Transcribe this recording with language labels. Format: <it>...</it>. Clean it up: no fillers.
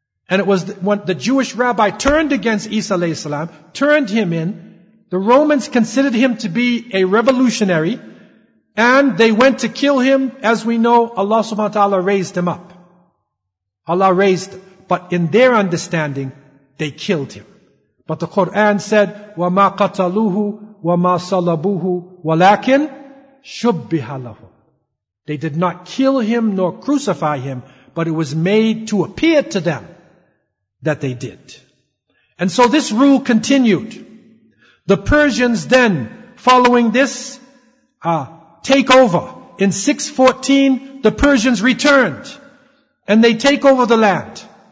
<en>And it was when the Jewish rabbi turned against Isa alayhi salam, turned him in, the Romans considered him to be a revolutionary, and they went to kill him. As we know, Allah subhanahu wa ta'ala raised him up. Allah raised him. But in their understanding, they killed him. But the Quran said,</en> <ar>وَمَا قَتَلُوهُ وَمَا صَلَبُوهُ وَلَكِنْ شُبِّهَ لَهُ.</ar> <en>They did not kill him nor crucify him, but it was made to appear to them that they did. And so this rule continued. The Persians then, following this takeover, in 614, the Persians returned and they take over the land.</en>